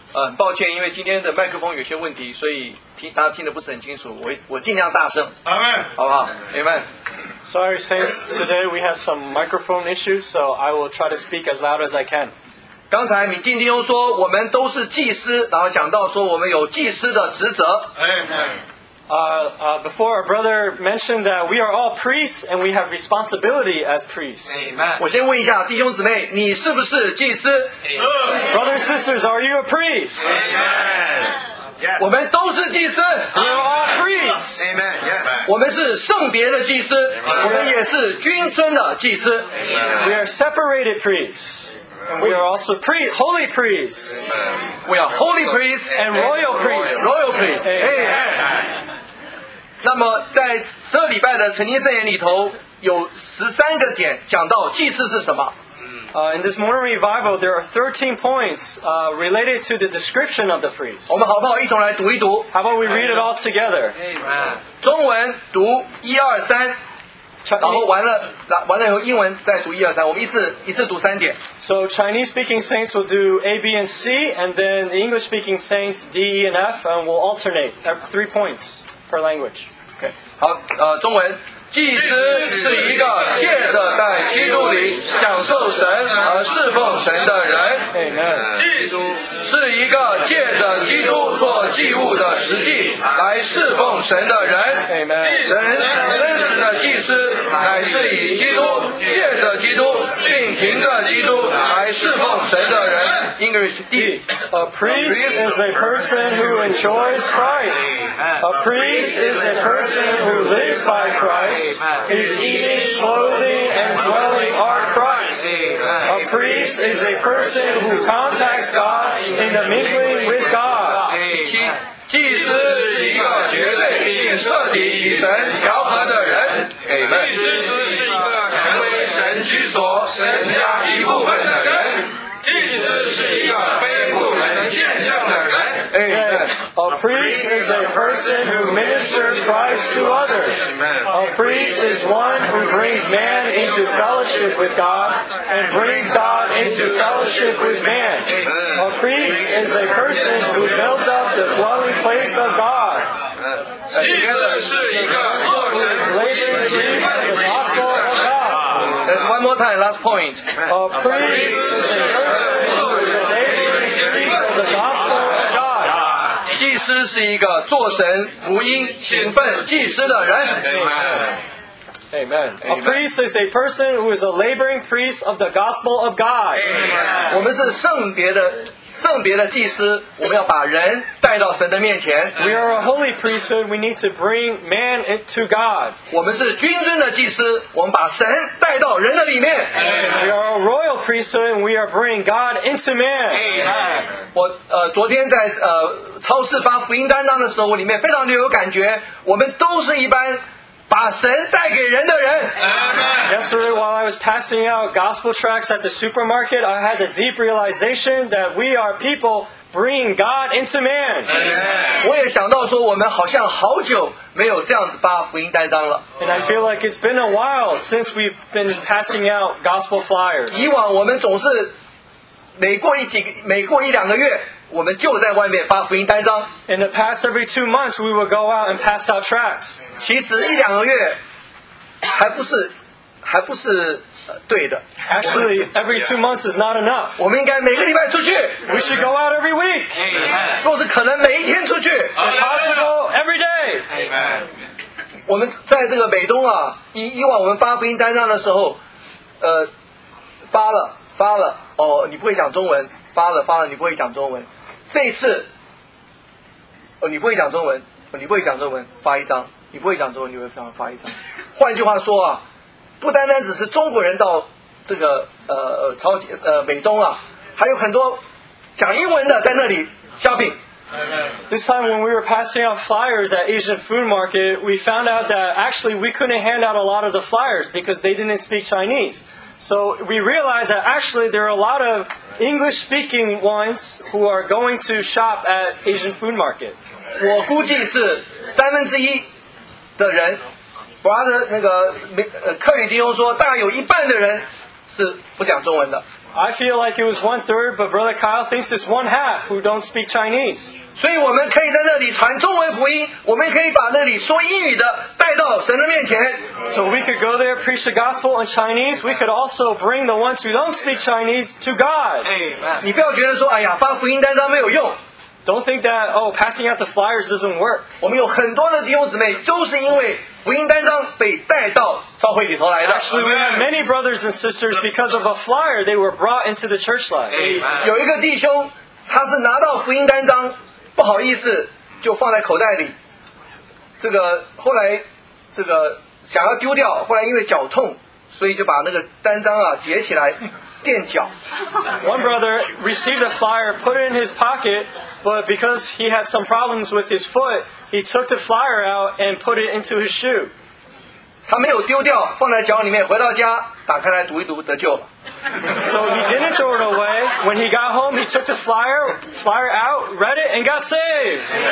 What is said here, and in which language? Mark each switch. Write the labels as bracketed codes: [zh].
[zh] 很抱歉，因为今天的麦克风有些问题，所以大家听得不是很清楚。我尽量大声。 [en] Amen. [zh] 好不好 ？ [en] Amen. Sorry, since today we have some microphone issues, so I will try to speak as loud as I can. [zh] 刚才敏静弟兄说我们都是祭司，然后讲到说我们有祭司的职责。 [en] Amen. Before our brother mentioned that we are all priests and we have responsibility as priests. Amen. [zh] 我先问一下弟兄姊妹，你是不是祭司 [en] ？Amen. Brothers and sisters, are you a priest? Amen. Yes. [zh] 我们都是祭司。 [en] We are all priests. Amen. Yes. [zh] 我们是圣别的祭司， [en] Amen. [zh] 我们也是君尊的祭司。 [en] Amen. We are separated priests. We are also holy priests. We are holy priests and royal priests. Royal priests. Amen. [zh] 那么在这礼拜的晨经圣言里头有13个点讲到祭司是什么。 [en] In this morning revival, there are 13 points related to the description of the priest. [zh] 我们好不好一同来读一读？ [en] How about we read it all together? Amen. [zh] 中文读一二三。然后完了以后，英文再读一二三。我们一次读三点。 [en] So Chinese speaking saints will do A, B, and C, and then the English speaking saints D, E, and F, and we'll alternate three points per language. Okay. [zh] 好，中文，祭司是一个借着在基督里享受神而侍奉神的人。 [en] Amen. [zh] 基督是一个借着基督做祭物的实际来侍奉神的人。 Amen. 神真实的祭司乃是以基督借着基督并凭着基督来侍奉神的人。 [en] English D. A priest is a person who enjoys Christ. A priest is a person who lives by Christ. His eating, clothing, and dwelling are Christ. A priest is a person who contacts God in the mingling with God. [zh] 祭司是一个绝对并彻底与神调和的人。祭司是一个成为神居所、神家一部分的人。 [en] Amen. A priest is a person who ministers Christ to others. A priest is one who brings man into fellowship with God and brings God into fellowship with man. A priest is a person who builds up the dwelling place of God. A priest is a person who labors in the gospel of God. There's one more time, last point. A priest is a person who is a laboring priest of the gospel of God. Jesus. [zh] 师是一个做神福音请奉祭司的人。 [en] Amen. A priest is a person who is a laboring priest of the gospel of God. Amen. [zh] 我们是圣别的祭司，我们要把人带到神的面前。 [en] We are a holy priesthood. We need to bring man to God. [zh] 我们是君尊的祭司，我们把神带到人的里面。 [en] Amen. We are a royal priesthood. We are bringing God into man. Amen. [zh] 我昨天在超市发福音单张的时候，我里面非常的有感觉。我们都是一般。把神带给人的人。 [en] Yesterday, while I was passing out gospel tracts at the supermarket, I had a deep realization that we are people bringing God into man. [zh] 我也想到说，我们好像好久没有这样子发福音单张了。 [en] And I feel like it's been a while since we've been passing out gospel flyers. [zh] 以往我们总是每过一两个月。我们就在外面发福音单张。 [en] In the past every 2 months, we would go out and pass out tracts. [zh] 其实一两个月还不是对的。 [en] Actually, every 2 months is not enough. [zh] 我们应该每个礼拜出去。 [en] We should go out every week. Amen. [zh] 若是可能每一天出去。 [en] If possible, every day. Amen. [zh] 我们在这个美东啊，以往我们发福音单张的时候，发了，哦，你不会讲中文。发了，你不会讲中文。这一次，你不会讲中文，发一张。你不会讲中文，你会讲发一张。换句话说啊，不单单只是中国人到这个美东啊，还有很多讲英文的在那里 shopping。 [en] This time when we were passing out flyers at Asian food market, we found out that actually we couldn't hand out a lot of the flyers because they didn't speak Chinese. So we realized that actually there are a lot of English-speaking ones who are going to shop at Asian food market. [zh] 我估计是三分之一的人，我的那个客语弟兄说，大概有一半的人是不讲中文的。 [en] I feel like it was one third, but Brother Kyle thinks it's one half who don't speak Chinese. [zh] 所以我们可以在那里传中文福音，我们可以把那里说英语的带到神的面前。 [en] So we could go there, preach the gospel in Chinese. We could also bring the ones who don't speak Chinese to God. Amen. [zh] 你不要觉得说，哎呀，发福音单张没有用。 [en] Don't think that, oh, passing out the flyers doesn't work. [zh] 我们有很多的弟兄姊妹都是因为福音单张被带到召会里头来的。 [en] Actually, we have many brothers and sisters because of a flyer they were brought into the church life. Amen. [zh] 有一个弟兄，他是拿到福音单张，不好意思，就放在口袋里。这个后来，这个想要丢掉，后来因为脚痛，所以就把那个单张啊叠起来。 [en] One brother received a flyer, put it in his pocket, but because he had some problems with his foot, he took the flyer out and put it into his shoe. [zh] 他没有丢掉，放在脚里面，回到家打开来读一读，得救了。 [en] So he didn't throw it away. When he got home, he took the flyer out, read it, and got saved.